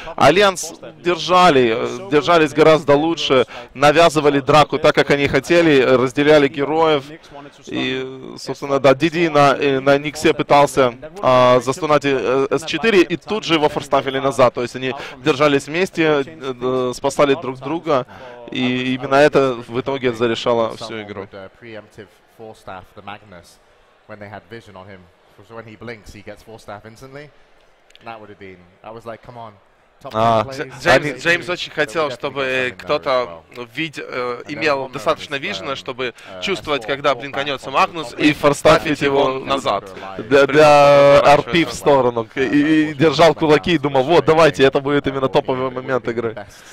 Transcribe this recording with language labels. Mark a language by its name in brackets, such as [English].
[Russian] Альянс держались гораздо лучше, навязывали драку так, как они хотели, разделяли героев. И, собственно, да, DD на Никсе пытался застунать S4, и тут же его форстафили назад. То есть они держались вместе, спасали друг друга, и именно это в итоге зарешало всю игру. [English] Forstaff the Magnus when they had vision on him. So when he blinks, he gets Forstaff instantly. That would have been. I was like, come on. [Russian] Джеймс очень хотел, чтобы кто-то имел достаточно вижена, чтобы чувствовать, когда блинканется Магнус, и форстафить его назад. Для RP в сторону. И держал кулаки и думал, вот, давайте, это будет именно топовый момент игры.